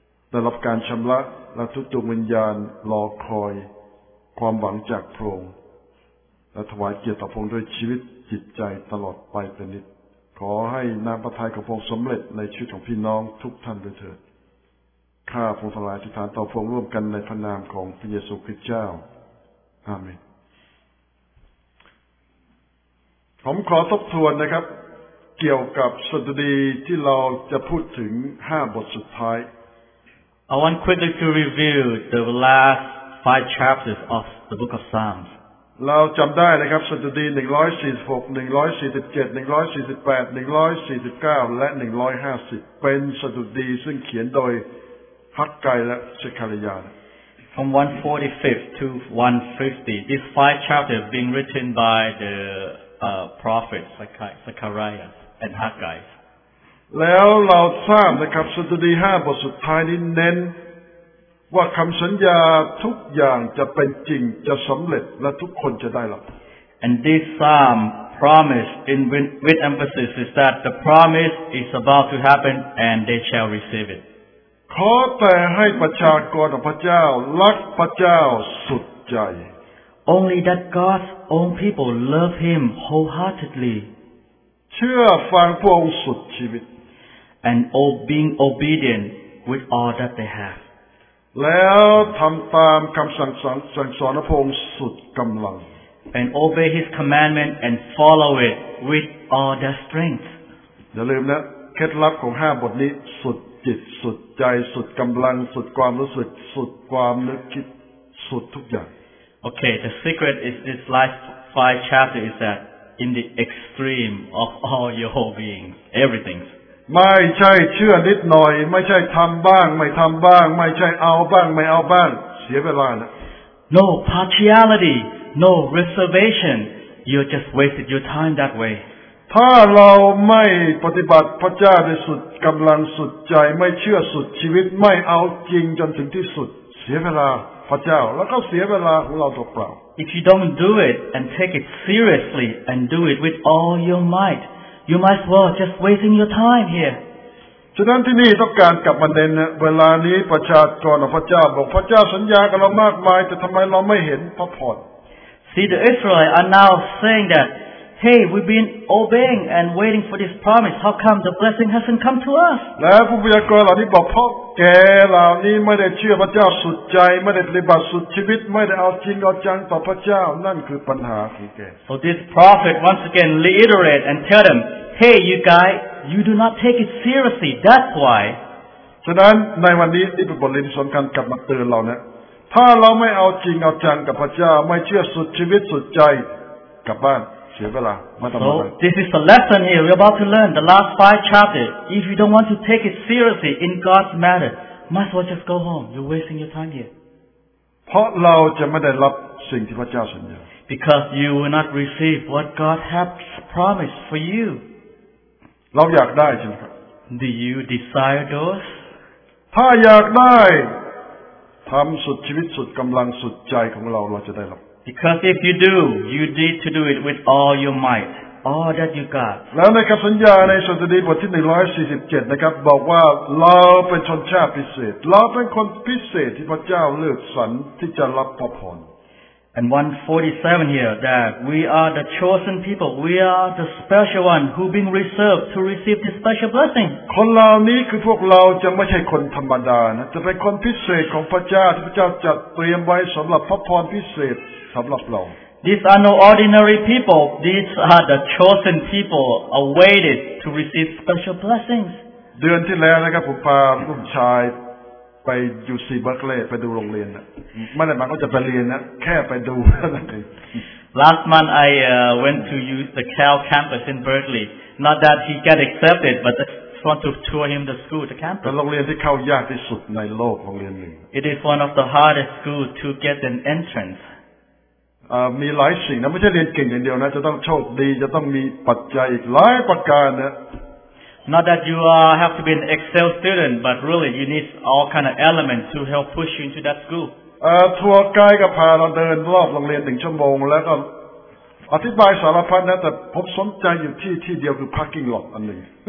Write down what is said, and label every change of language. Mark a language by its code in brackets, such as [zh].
[th] ได้รับการชำระและทุกดวงวิญญาณรอคอยความหวังจากพระองค์และถวายเกียรติต่อพระองค์ด้วยชีวิตจิตใจตลอดไปเป็นนิจขอให้นามพระทัยของพระองค์สำเร็จในชีวิตของพี่น้องทุกท่านด้วยเถิดข้าพงศ์ทลายอธิษฐานต่อพระองค์ร่วมกันในพระนามของพระเยซูคริสต์เจ้าอาเมนผมขอทบทวนนะครับเกี่ยวกับสดุดีที่เราจะพูดถึง5บทสุดท้าย [en] I want quickly to review the last 5 chapters of the book of Psalms [th] เราจำได้นะครับสดุดี146 147 148 149และ150เป็นสดุดีซึ่งเขียนโดยฮักไกและซะคารียา [en] From 145 to 150 these five chapters being written by the prophet Zacharias and Haggai [th] แล้วเราทราบนะครับสดุดี5บทสุดท้ายนี้เน้นว่าคำสัญญาทุกอย่างจะเป็นจริงจะสำเร็จและทุกคนจะได้รับ [en] And this psalm promise in with emphasis is that the promise is about to happen and they shall receive it [th] ขอแต่ให้ประชากรของพระเจ้ารักพระเจ้าสุดใจ [en] Only that God's own people love him wholeheartedly [th] เชื่อฟังพระองค์สุดชีวิต [en] And being obedient with all that they have [th] แล้วทำตามคำสั่งสอนพระองค์สุดกำลัง [en] and obey his commandment and follow it with all their strength [th] อย่าลืมนะเคล็ดลับของ5บทนี้สุดจิตสุดใจสุดกำลังสุดความรู้สึกสุดความนึกคิดสุดทุกอย่าง [en] okay the secret is this last 5 chapter is that in the extreme of all your whole being everything [th] ไม่ใช่เชื่อนิดหน่อยไม่ใช่ทำบ้างไม่ทำบ้างไม่ใช่เอาบ้างไม่เอาบ้างเสียเวลานะ [en] No partiality No reservation You just wasted your time that way [th] ถ้าเราไม่ปฏิบัติพระเจ้าในสุดกำลังสุดใจไม่เชื่อสุดชีวิตไม่เอาจริงจนถึงที่สุดเสียเวลาพระเจ้าแล้วก็เสียเวลาของเราตัวเปล่า [en] If you don't do it and take it seriously and do it with all your mightYou might as well just wasting your time here. [th] ฉะนั้นที่นี่ต้องการกลับมาเน้นเวลานี้ประชากรของพระเจ้าบอกพระเจ้าสัญญากับเรามากมายแต่ทำไมเราไม่เห็นพระพร [en] See the Israelites are now saying that, hey, we've been obeying and waiting for this promise. How come the blessing hasn't come to us? [th] และผู้พยากรณ์เหล่านี้บอกเพราะแกเหล่านี้ไม่ได้เชื่อพระเจ้าสุดใจไม่ได้ปฏิบัติสุดชีวิตไม่ได้เอาจริงเอาจังต่อพระเจ้านั่นคือปัญหาของแก [en] So this prophet once again reiterate and tell them. Hey, you guys, you do not take it seriously. That's why. [th] ฉะนั้นในวันนี้ที่เป็นบทเรียนสำคัญกลับมาเตือนเรานะถ้าเราไม่เอาจริงเอาจังกับพระเจ้าไม่เชื่อสุดชีวิตสุดใจกลับบ้านเสียเวลาไม่ต้องมา [en] So this is the lesson here. We're about to learn the last five chapters. If you don't want to take it seriously in God's matter, might as well just go home. You're wasting your time here. [th] เพราะเราจะไม่ได้รับสิ่งที่พระเจ้าสัญญา [en] Because you will not receive what God has promised for you. [th] เราอยากได้ใช่ไหมครับ [en] Do you desire those? [th] ถ้าอยากได้ทำสุดชีวิตสุดกำลังสุดใจของเราเราจะได้รับ [en] Because if you do, you need to do it with all your might, all that you got. [th] แล้วในคำสัญญาในสดุดีบทที่147นะครับบอกว่าเราเป็นชนชาติพิเศษเราเป็นคนพิเศษที่พระเจ้าเลือกสรรที่จะรับพระพร [en] And 147 here that we are the chosen people. We are the special one who being reserved to receive this special blessing. [th] คนเหล่านี้คือพวกเราจะไม่ใช่คนธรรมดานะจะเป็นคนพิเศษของพระเจ้าที่พระเจ้าจัดเตรียมไว้สำหรับพระพรพิเศษสำหรับเรา [en] These are no ordinary people. These are the chosen people awaited to receive special blessings. [th] เดือนที่แล้วนะครับผมพาลูกชายไป UC Berkeley ไปดูโรงเรียนไม่ได้มาเขาจะไปเรียนนะแค่ไปดูนั่นเอง [en] Last month I went to use the Cal campus in Berkeley. Not that he got accepted, but just want to tour him the school, the campus. [th] เป็นโรงเรียนที่เข้ายากที่สุดในโลกโรงเรียนหนึ่ง [en] It is one of the hardest schools to get an entrance. [th] มีหลายสิ่งนะไม่ใช่เรียนเก่งอย่างเดียวนะจะต้องโชคดีจะต้องมีปัจจัยอีกหลายประการนะ [en] Not that you have to be an excel student but really you need all kind of elements to help push you into that school [th] ทัวร์ไกด์ก็พาเราเดินรอบโรงเรียน1ชั่วโมงแล้วก็อธิบายสารพัดนะแต่ผมสนใจอยู่ที่เดียวคือ parking lot อันนึง